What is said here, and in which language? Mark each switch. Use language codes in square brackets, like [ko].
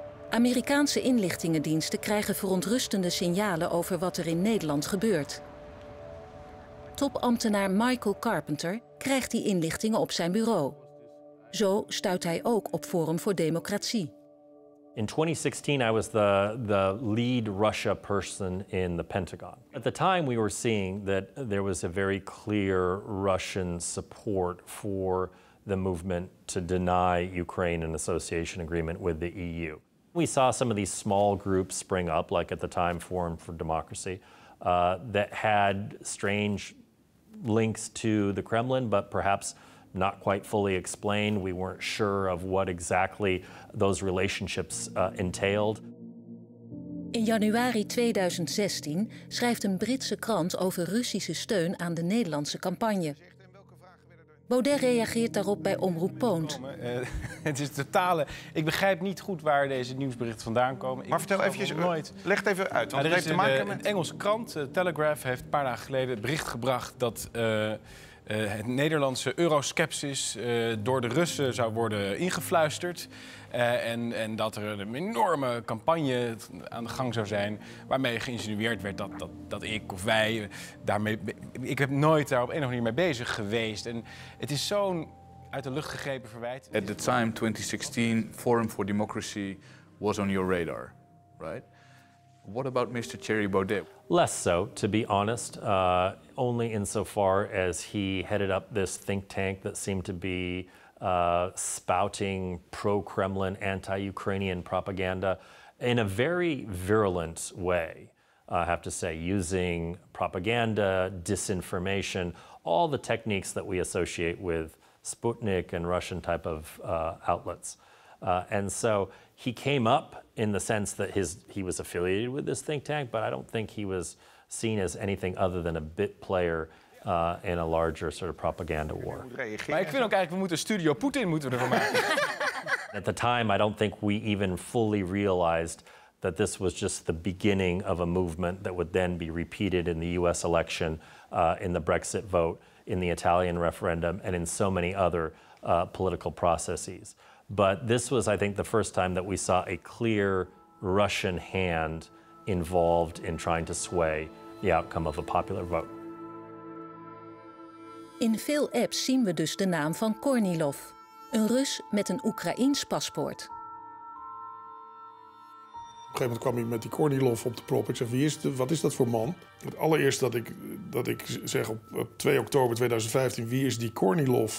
[nl] Amerikaanse inlichtingendiensten krijgen verontrustende signalen over wat er in Nederland gebeurt. Topambtenaar Michael Carpenter krijgt die inlichtingen op zijn bureau. Zo stuit hij ook op Forum voor Democratie. [en] In 2016 I was the lead Russia person in the Pentagon. At the time we were seeing that there was a very clear Russian support for the movement to deny Ukraine an association agreement with the EU. We saw some of these small groups spring up, like at the time Forum for Democracy, that had strange links to the Kremlin, but perhaps not quite fully explained. We weren't sure of what exactly those relationships entailed. [nl] In januari 2016 schrijft een Britse krant over Russische steun aan de Nederlandse campagne. Baudet reageert daarop bij Omroep Poont. Het is totale. Ik begrijp niet goed waar deze nieuwsberichten vandaan komen. Maar vertel even, leg het even uit. Want heeft te maken met een Engelse krant, Telegraph, heeft een paar dagen geleden het bericht gebracht dat het Nederlandse euroskepsis door de Russen zou worden ingefluisterd. En dat er een enorme campagne aan de gang zou zijn waarmee geïnsinueerd werd dat ik of wij daarmee... Ik heb nooit daar op een of andere manier mee bezig geweest. En het is zo'n uit de lucht gegrepen verwijt. [en] At the time, 2016, Forum for Democracy was on your radar, right? What about Mr. Thierry Baudet? Less so, to be honest. Only insofar as he headed up this think tank that seemed to be spouting pro-Kremlin, anti-Ukrainian propaganda in a very virulent way, I have to say, using propaganda, disinformation, all the techniques that we associate with Sputnik and Russian type of outlets. And so he came up in the sense that he was affiliated with this think tank, but I don't think he was seen as anything other than a bit player in a larger sort of propaganda war. [nl] Maar ik vind ook eigenlijk, we moeten Studio Poetin moeten ervan maken. [en] At the time, I don't think we even fully realized that this was just the beginning of a movement that would then be repeated in the US election, in the Brexit vote, in the Italian referendum, and in so many other political processes. But this was, I think, the first time that we saw a clear Russian hand involved in trying to sway the outcome of a popular vote. [nl] In veel apps zien we dus de naam van Kornilov, een Rus met een Oekraïens paspoort. een gegeven moment kwam hij met die Kornilov op de prop. Ik zeg, wat is dat voor man? Het allereerste dat ik zeg op 2 oktober 2015, wie is die Kornilov?